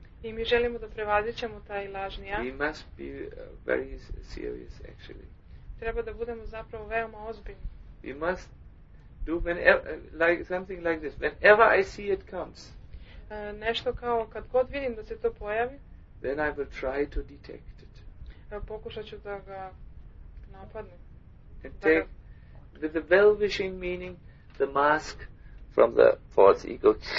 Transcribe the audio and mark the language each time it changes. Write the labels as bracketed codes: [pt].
[sr] I mi želimo da prevazićemo taj lažni ja. [en] We must be very serious actually. [sr] Treba da budemo zapravo veoma ozbiljni. [en] We must do something like this. Whenever I see it comes. [sr] Nešto kao kad god vidim da se to pojavi. [en] Then I will try to detect it. [sr] Pokušat ću da ga napadnem. [en] And take with the well-wishing meaning the mask from the false ego.